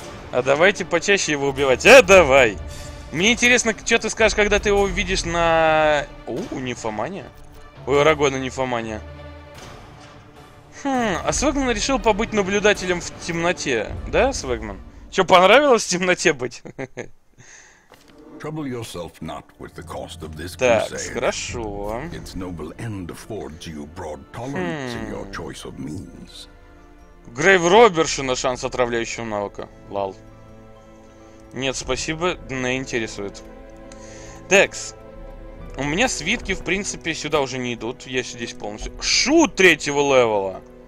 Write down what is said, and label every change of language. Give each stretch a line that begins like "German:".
Russian: А давайте почаще его убивать. Давай. Мне интересно, что ты скажешь, когда ты его увидишь на... У нимфомания? У Арагона нимфомания. А Свегман решил побыть наблюдателем в темноте. Да, Свегман? Че, понравилось в темноте быть?
English: Trouble yourself not with the cost of this crusade. Its noble end affords you broad tolerance in your choice of means.
Russian: Грейв Роберши на шанс отравляющего навыка. Лал. Нет, спасибо, не интересует. Декс. У меня свитки, в принципе, сюда уже не идут. Я здесь полностью. Шут третьего левела.